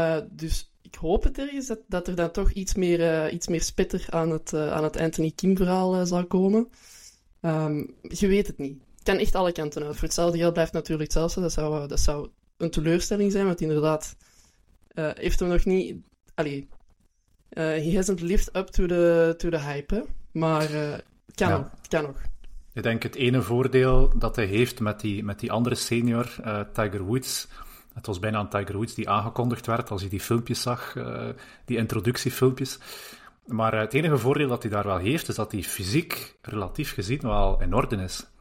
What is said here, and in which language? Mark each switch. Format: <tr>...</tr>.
<nl>Dus ik hoop het ergens dat er dan toch iets meer spitter aan het Anthony Kim verhaal zal komen. Je weet het niet. Het kan echt alle kanten uit. Voor hetzelfde geld blijft natuurlijk hetzelfde. Dat zou een teleurstelling zijn, want inderdaad heeft hem nog niet...</nl> <en>Allee, he hasn't lived up to the hype, hè?</en> <nl>Maar kan nog. Ik denk het ene voordeel dat hij heeft met die andere senior, Tiger Woods. Het was bijna een Tiger Woods die aangekondigd werd als hij die filmpjes zag, die introductiefilmpjes. Maar het enige voordeel dat hij daar wel heeft, is dat hij fysiek relatief gezien wel in orde is.</nl>